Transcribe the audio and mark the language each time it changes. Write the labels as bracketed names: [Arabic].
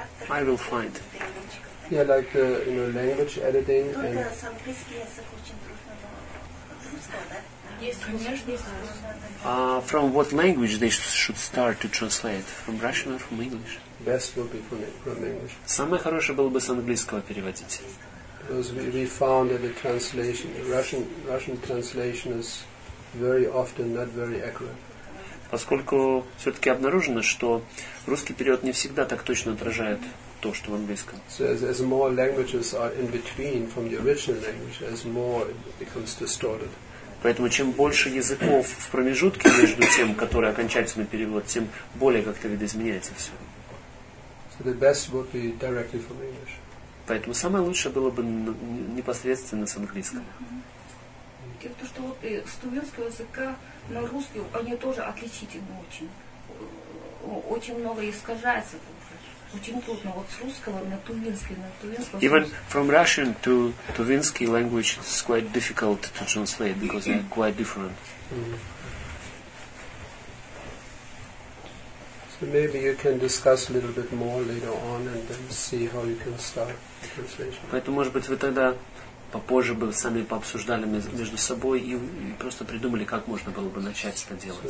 [English] I will find. Yeah, like you know, language editing. And From what language they should start to translate? From Russian or from English? Best would be from English. [Russian] Самое хорошее было бы с английского переводить. [English] Because we found that the translation, the Russian translation is very often not very accurate. [Russian] Поскольку все-таки обнаружено, что русский перевод не всегда так точно отражает то, что в английском. [English] So as more languages are in between from the original language, as more it becomes distorted. [Russian] Поэтому чем больше языков в промежутке между тем, который окончательный перевод, тем более как-то видоизменяется все. [English] So the best would be directly from English. [Russian] Поэтому самое лучшее было бы непосредственно с английского. Mm-hmm. То, что вот с тувинского языка на русский, они тоже отличительны очень. Очень много искажается. [English] Even from Russian to Tuvinsky language, it's quite difficult to translate because they're quite different. So maybe you can discuss a little bit more later on and then see how you can start translation. [Russian] Поэтому, может быть, вы тогда попозже бы сами пообсуждали между собой и просто придумали, как можно было бы начать это делать.